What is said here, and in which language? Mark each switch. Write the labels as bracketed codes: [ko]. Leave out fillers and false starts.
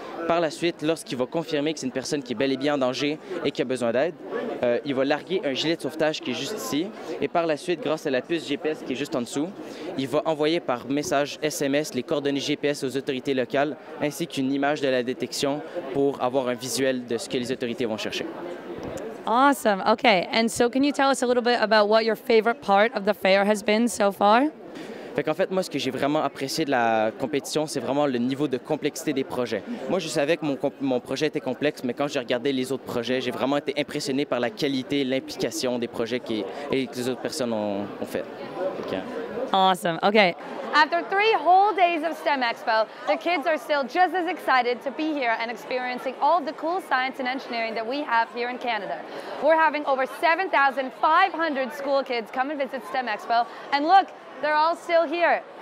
[fr] Par la suite, lorsqu'il va confirmer que c'est une personne qui est bel et bien en danger et qui a besoin d'aide, il va larguer un gilet de sauvetage qui est juste ici. Et par la suite, grâce à la puce GPS qui est juste en dessous, il va envoyer par message SMS les coordonnées GPS aux autorités locales, ainsi qu'une image de la détection pour avoir un visuel de ce que les autorités vont chercher. [en] Awesome. Okay. And so can you tell us a little bit about what your favorite part of the fair has been so far? [fr] Fait qu'en fait, moi, ce que j'ai vraiment apprécié de la compétition, c'est vraiment le niveau de complexité des projets. Moi, je savais que mon projet était complexe, mais quand j'ai regardé les autres projets, j'ai vraiment été impressionné par la qualité, l'implication des projets que les autres personnes ont fait. [en] Okay. Awesome. Okay. After 3 whole days of STEM Expo, the kids are still just as excited to be here and experiencing all the cool science and engineering that we have here in Canada. We're having over 7,500 school kids come and visit STEM Expo, and look, they're all still here.